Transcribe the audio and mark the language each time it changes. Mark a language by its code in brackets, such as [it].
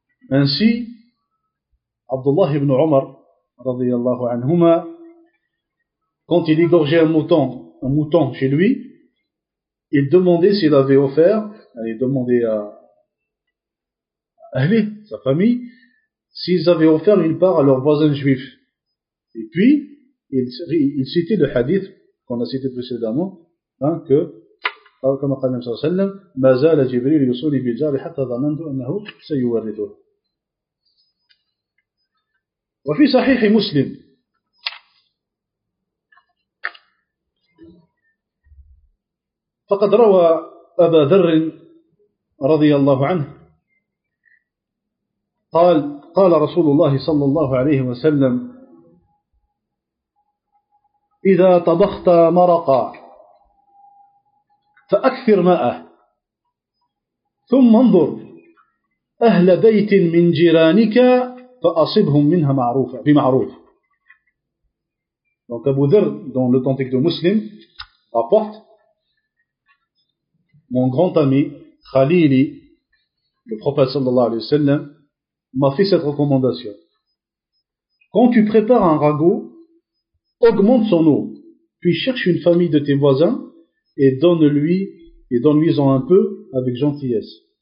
[fr] Ainsi, Abdullah ibn Omar, radiyallahu anhuma, quand il égorgeait un mouton chez lui, il demandait s'il avait offert, il demandait à Ahli, sa famille, s'ils avaient offert une part à leurs voisins juifs. Et puis, il citait le hadith qu'on a cité précédemment, hein, que, comme le Prophète [ar] صلى الله عليه وسلم, مازال جبريل يصلي بالجار حتى ظننت أنه سيورثه. وفي صحيح مسلم فقد روى أبا ذر رضي الله عنه قال رسول الله صلى الله عليه وسلم إذا طبخت مرقا فأكثر ماءه ثم انظر أهل بيت من جيرانك فأصبهم منها معروفة بمعروف. [fr] Donc Abu Dhar dans l'authentique de Muslim rapporte: mon grand ami Khalili, le prophète sallallahu alayhi wa sallam, m'a fait cette recommandation: quand tu prépares un ragoût, augmente son eau, puis cherche une famille de tes voisins et donne-lui-en un peu avec gentillesse.